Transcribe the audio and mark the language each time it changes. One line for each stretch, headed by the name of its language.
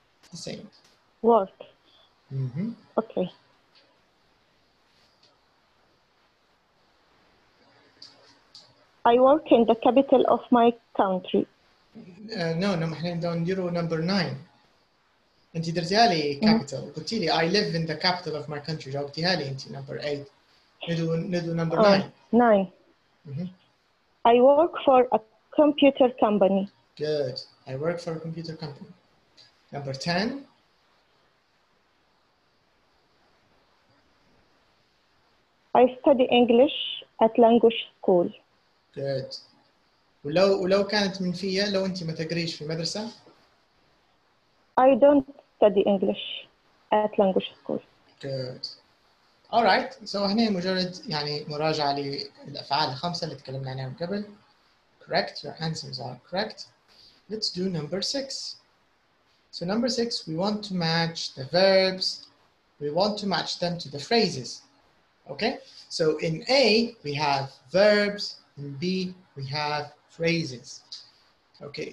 English: The same. What? Mm-hmm. Okay. I work in the capital of my country. No, no, we don't do number nine.
Arabic: أنت درتيها
English: capital،
Arabic: قلتي لي
English: I live in the capital of my country،
Arabic: جاوبتيها لي أنت
English: number eight.
Arabic: ندو
English: number nine. Nine. I work for a computer company. Good. I work for a computer company. Number 10. I study English at language school. Good.
Arabic: ولو كانت من فيا لو أنت ما تقريش في المدرسة؟
English: I don't study English at language school. Good. All right.
Arabic: So هنا مجرد يعني مراجعة للأفعال الخمسة اللي تكلمنا عنها من قبل.
English: Correct. Your answers are correct. Let's do number six. So number six, we want to match the verbs. We want to match them to the phrases. Okay. So in A, we have verbs. In B, we have phrases. Okay.